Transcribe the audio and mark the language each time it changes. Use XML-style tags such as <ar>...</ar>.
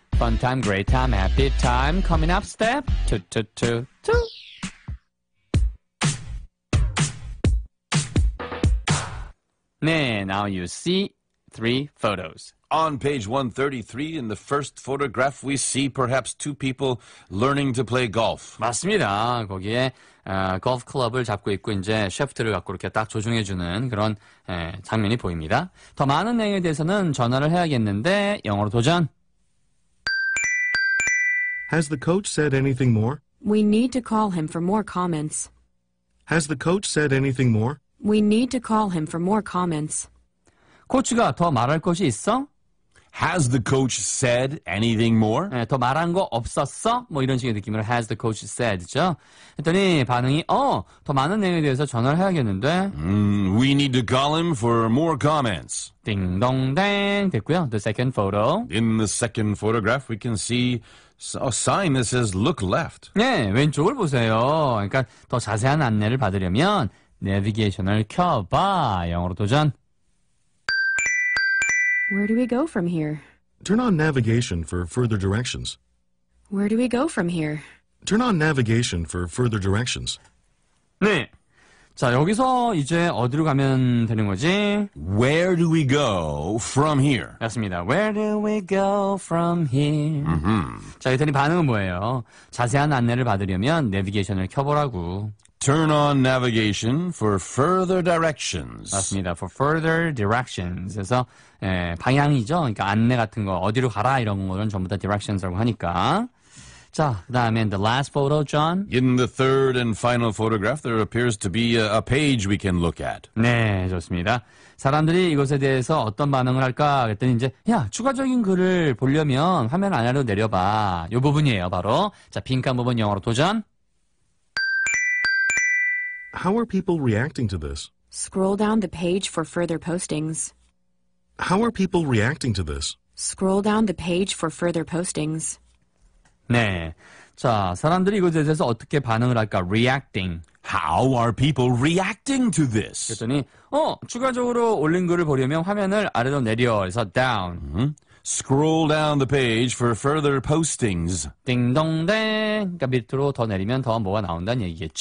<en>Fun time, great time, happy time. Coming up, step two, two, two, two. Now you see three photos. On page 133, in the first photograph, we see perhaps two people learning to play golf.</en> <ko>맞습니다. 거기에 골프 클럽을 잡고 있고 이제 쉐프트를 갖고 이렇게 딱 조종해 주는 그런 장면이 보입니다. 더 많은 내용에 대해서는 전화를 해야겠는데 영어로 도전.</ko> <en>Has the coach said anything more? We need to call him for more comments. Has the coach said anything more? We need to call him for more comments.</en> <ko>코치가 더 말할 것이 있어?</ko> <en>Has the coach said anything more?</en> <ko>네, 더 말한 거 없었어? 뭐 이런 식의 느낌으로</ko> <en>has the coach said</en> <ko>죠. 했더니 반응이 더 많은 내용에 대해서 전화를 해야겠는데.</ko> <en>We need to call him for more comments.</en> <ko>띵동댕 됐고요.</ko> <en>The second photo. In the second photograph, we can see a sign that says look left.</en> <ko>네, 왼쪽을 보세요. 그러니까 더 자세한 안내를 받으려면 내비게이션을 켜봐. 영어로 도전.</ko> <en>Where do we go from here? Turn on navigation for further directions. Where do we go from here? Turn on navigation for further directions.</en> <ko>네. 자, 여기서 이제 어디로 가면 되는 거지?</ko> <en>Where do we go from here?</en> <ko>맞습니다.</ko> <en>Where do we go from here? Mm-hmm.</en> <ko>자, 이랬더니 반응은 뭐예요? 자세한 안내를 받으려면 내비게이션을 켜보라고.</ko> <en>Turn on navigation for further directions.</en> <ko>맞습니다.</ko> <en>For further directions.</en> <ko>그래서 방향이죠. 그러니까 안내 같은 거 어디로 가라 이런 거는 전부 다 directions라고 하니까. 자, 그다음에</ko> <en>the last photo,</en> <ko>John.</ko> <en>In the third and final photograph, there appears to be a page we can look at.</en> <ko>네, 좋습니다. 사람들이 이것에 대해서 어떤 반응을 할까 그랬더니 이제 야, 추가적인 글을 보려면 화면 아래로 내려봐. 이 부분이에요, 바로. 자, 빈칸 부분 영어로 도전.</ko> <en>How are people reacting to this? Scroll down the page for further postings. How are people reacting to this? Scroll down the page for further postings.</en> <ko>네. 자, 사람들이 이것에 대해서 어떻게 반응을 할까?</ko> <en>Reacting. How are people reacting to this?</en> <ko>그랬더니, 추가적으로 올린 글을 보려면 화면을 아래로 내려. 그래서 down. Mm-hmm.</ko> <en>Scroll down the page for further postings.</en> <ko>띵동댕. 그러니까 밑으로 더 내리면 더 뭐가 나온다는 얘기겠죠?</ko>